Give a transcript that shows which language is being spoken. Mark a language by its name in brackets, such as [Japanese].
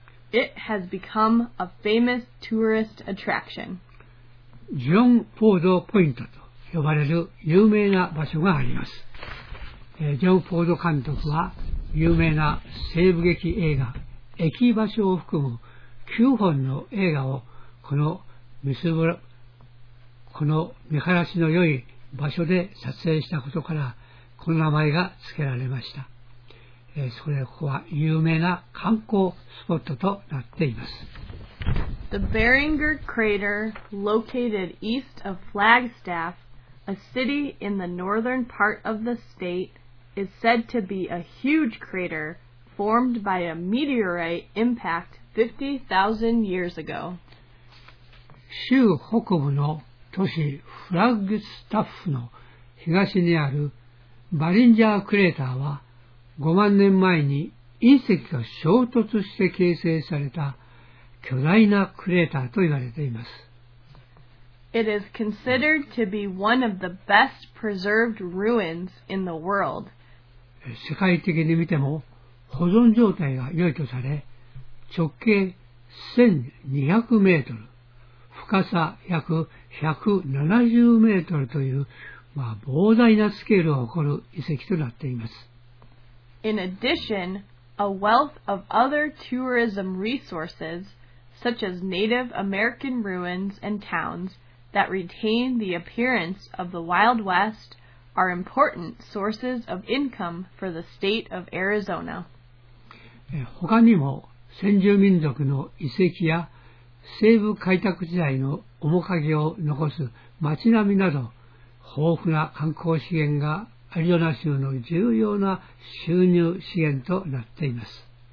[English] It has become a famous tourist attraction. [Japanese] ジョン・フォード・ポイントと呼ばれる有名な場所があります。ジョン・フォード監督は有名な西部劇映画、駅場所を含む9本の映画をこのミスブラこの見晴らしの良い場所で撮影したことからこの名前が付けられました。そこでここは有名な観光スポットとなっています。 [English] The Beringer Crater, located east of Flagstaff, a city in the northern part of the state, is said to be a huge crater formed by a meteorite impact 50,000 years ago. [Japanese] 州北部の都市フラッグスタッフの東にあるバリンジャークレーターは5万年前に隕石が衝突して形成された巨大なクレーターと言われています。 [English] It is considered to be one of the best preserved ruins in the world. [Japanese] 世界的に見ても保存状態が良いとされ、直径1200メートル。深さ約170メートルという、膨大なスケールを誇る遺跡となっています。 [English] In addition, a wealth of other tourism resources, such as Native American ruins and towns that retain the appearance of the Wild West, are important sources of income for the state of Arizona. [Japanese] 他にも先住民族の遺跡や西部開拓時代の面影を残す町並みなど豊富な観光資源がアリゾナ州の重要な収入資源となっています。